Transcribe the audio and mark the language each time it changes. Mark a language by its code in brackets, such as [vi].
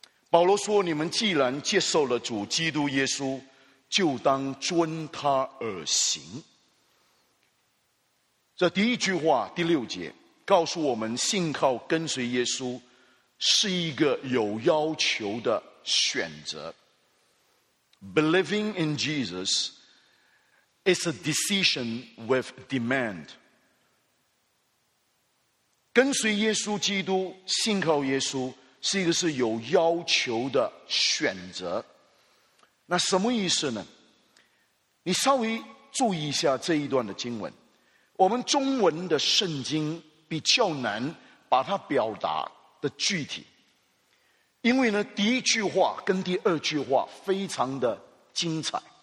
[zh] 保罗说，你们既然接受了主基督耶稣，就当遵他而行。这第一句话第六节告诉我们，信靠跟随耶稣是一个有要求的选择。 [en] Believing in Jesus is a decision with demand。 [zh] 跟随耶稣基督，信靠耶稣，是一个是有要求的选择。那什么意思呢？你稍微注意一下这一段的经文，我们中文的圣经比较难把它表达的具体，因为呢，第一句话跟第二句话非常的精彩。